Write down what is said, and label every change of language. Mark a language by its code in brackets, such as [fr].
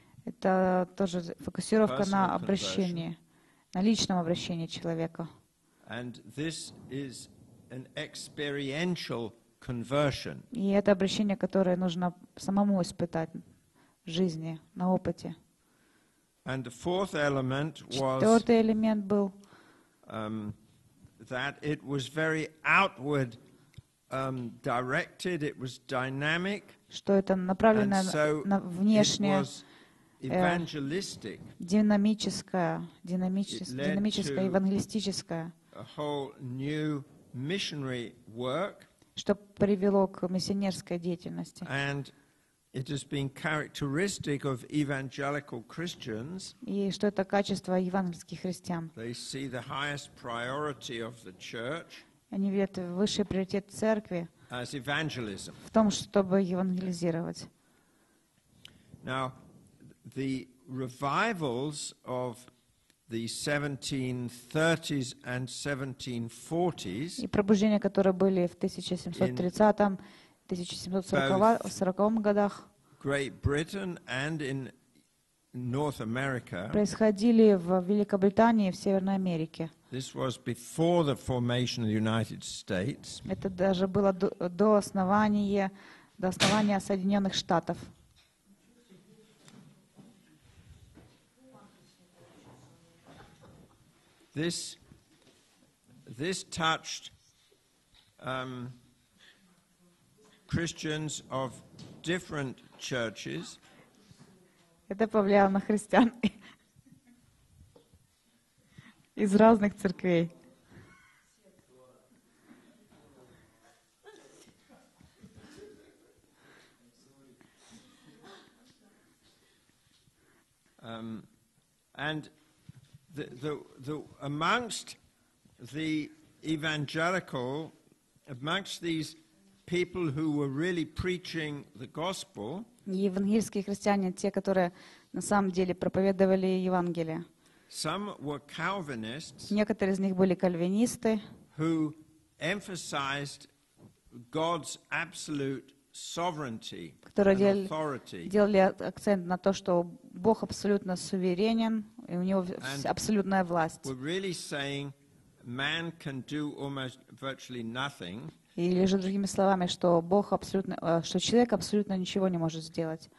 [ru] Это тоже фокусировка на обращении. На личном обращении человека. [en] And this is an experiential conversion. [ru] И это обращение, которое нужно самому испытать в жизни, на опыте. [en] And the fourth element was, [ru] четвертый элемент был, [en] that it was very outward directed, it was dynamic, [ru] что это направлено на внешнее, динамическое, евангелистическое, [en] a whole new missionary work, [ru] что привело к миссионерской деятельности. [en] And it has been characteristic of evangelical Christians. [ru] И что это качество евангельских христиан. [en] They see the highest priority of the church. [ru] Они видят высший приоритет церкви [en] as evangelism. [ru] В том, чтобы евангелизировать. [en] Now, the revivals of the 1730s and 1740s. [ru] И пробуждения, которые были в 1730-м, 1740-м годах. [en] Great Britain and in North America. [ru] Происходили в Великобритании и в Северной Америке. [en] This was before the formation of the United States. [ru] Это даже было до основания Соединенных Штатов. [en] This touched Christians of different churches. [ru] Это повлияло на христиан из разных церквей. [en] And the amongst the evangelical, amongst these people who were really preaching the gospel, [ru] евангельские христиане, те, которые на самом деле проповедовали Евангелие. [en] Some were Calvinists. [ru] Некоторые из них были кальвинисты. [en] Who emphasized God's absolute sovereignty and authority. [ru] Делали акцент на то, что Бог абсолютно суверенен и у него абсолютная власть. [en] Were really saying man can do almost virtually nothing. [ru] Или же другими словами, что Бог абсолютно, что человек абсолютно ничего не может сделать.